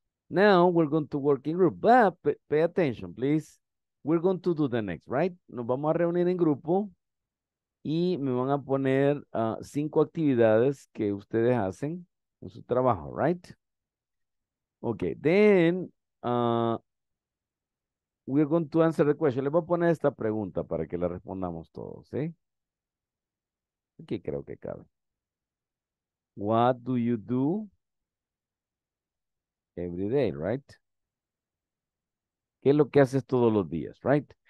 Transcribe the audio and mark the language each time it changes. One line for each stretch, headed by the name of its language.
English: Now we're going to work in group, but pay attention, please. We're going to do the next, right?
Spanish: Nos vamos a reunir en grupo y me van a poner 5 actividades que ustedes hacen en su trabajo, right?
English: Okay, then we're going to answer the question.
Spanish: Le voy a poner esta pregunta para que la respondamos todos, ¿sí? Aquí creo que cabe.
English: What do you do every day, right?
Spanish: ¿Qué es lo que haces todos los días, right?